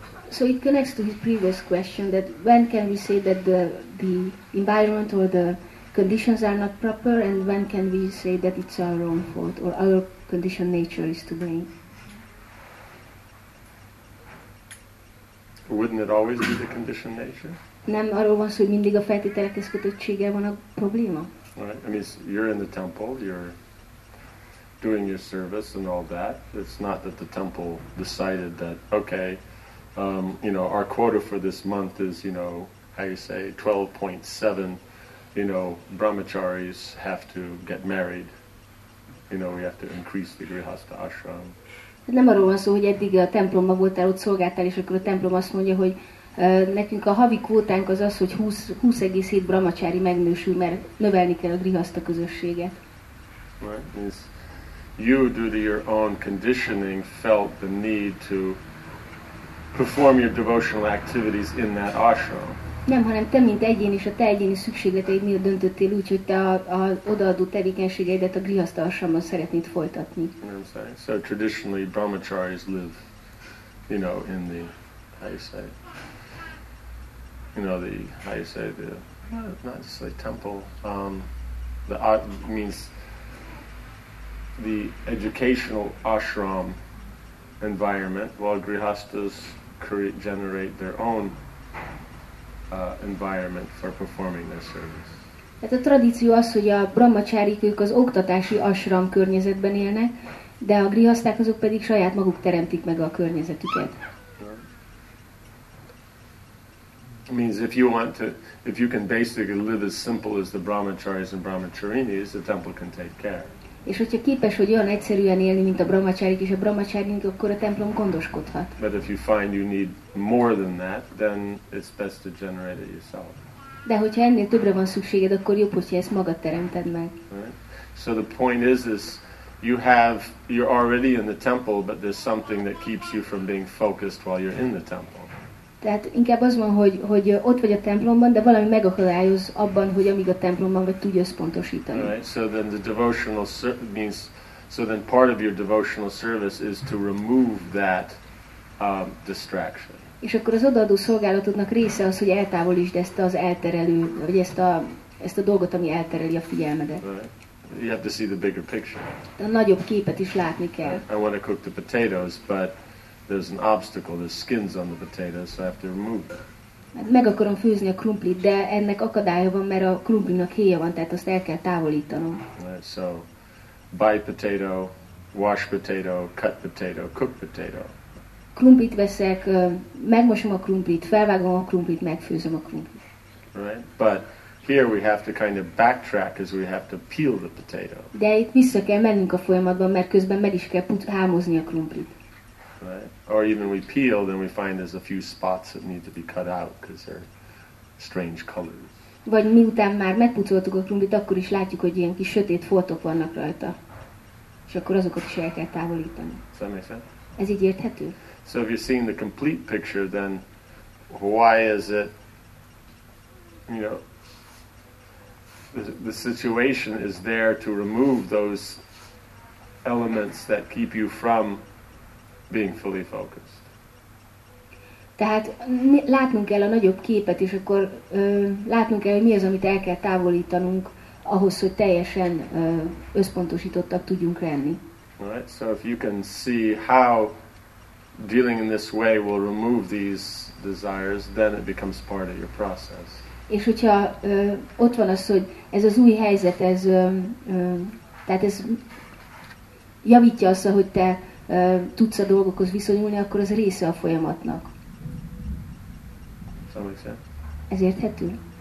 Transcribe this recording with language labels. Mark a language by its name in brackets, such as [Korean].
[English] So it connects to his previous question, that when can we say that the environment or the conditions are not proper, and when can we say that it's our own fault or our condition nature is to blame? Wouldn't it always be the condition nature? [Hungarian] Nem arról van szó, hogy mindig a feltételekhez kötöttsége van a probléma. [English] Right. I mean, you're in the temple, you're doing your service and all that. It's not that the temple decided that, okay, you know, our quota for this month is, you know, how you say, 12.7, you know, brahmacharis have to get married. You know, we have to increase the grihastha ashram. [Hungarian] Nem arról van szó, hogy eddig a templomban voltál, ott szolgáltál, és akkor a templom azt mondja, hogy nekünk a havi kvótánk az, hogy 20,7 brahmacsári megnősül, mert növelni kell a grihaszta közösséget. [English] Right. It's you, due to your own conditioning, felt the need to perform your devotional activities in that ashram. [Hungarian] Nem, hanem te, mint egyén és a te egyéni szükségleteid miatt döntöttél úgy, hogy te az odaadó tevékenységeidet a grihasztha ashramban szeretnéd folytatni. [English] I'm saying, so traditionally brahmacharis live, you know, in the, how you say, you know, the, how you say, the, not just like temple, the means the educational ashram environment, while grihasthas create, generate their own environment for performing their service. [Hungarian] Tehát a tradíció az, hogy a brahmacharik ők az oktatási ashram környezetben élnek, de a grihaszták azok pedig saját maguk teremtik meg a környezetüket. [English] It means if you want to, if you can basically live as simple as the brahmacharis and brahmacharinis, the temple can take care. [Hungarian] És hogyha képes vagy olyan egyszerűen élni, mint a brahmacharik és a brahmacharinik, akkor a templom gondoskodhat. [English] But if you find you need more than that, then it's best to generate it yourself. [Hungarian] De hogyha ennél többre van szükséged, akkor jobb, hogyha ezt magad teremted meg. [English] So the point is you have, you're already in the temple, but there's something that keeps you from being focused while you're in the temple. [Hungarian] Tehát inkább az van, hogy ott vagy a templomban, de valami megakadályoz abban, hogy amíg a templomban vagy, tudj összpontosítani. [English] Right. So then the devotional means, so then part of your devotional service is to remove that distraction. [Hungarian] És akkor az odaadó szolgálatodnak része az, hogy eltávolítsd ezt az elterelő, vagy ezt a dolgot, ami eltereli a figyelmedet. [English] Right. You have to see the bigger picture. [Hungarian] De a nagyobb képet is látni kell. [English] I want to cook the potatoes, but there's an obstacle, there's skins on the potatoes, so I have to remove that. [Hungarian] Meg akarom főzni a krumplit, de ennek akadálya van, mert a krumplinak héja van, tehát azt el kell távolítanom. [English] Right, so, buy potato, wash potato, cut potato, cook potato. [Hungarian] Krumplit veszek, megmosom a krumplit, felvágom a krumplit, megfőzöm a krumplit. [English] Right, but here we have to kind of backtrack as we have to peel the potato. [Hungarian] De itt vissza kell mennünk a folyamatban, mert közben meg is kell hámozni a krumplit. [English] Right? Or even we peel, then we find there's a few spots that need to be cut out because they're strange colors. [Hungarian] Vagy miután már megpucoltuk a krumplit, akkor is látjuk, hogy ilyen kis sötét foltok vannak rajta. És akkor azokat is el kell távolítani. Ez így érthető? [English] So if you're seeing the complete picture, then why is it, you know, the situation is there to remove those elements that keep you from being fully focused. [Hungarian] Tehát látnunk kell a nagyobb képet, és akkor látnunk kell, hogy mi az, amit el kell távolítanunk ahhoz, hogy teljesen összpontosítottak tudjunk lenni. [English] Right, so if you can see how dealing in this way will remove these desires, then it becomes part of your process. [Hungarian] És hogyha ott van az, hogy ez az új helyzet, ez tehát ez javítja azt, hogy te tudsz a dolgokhoz viszonyulni, akkor az része a folyamatnak. Ez érthető?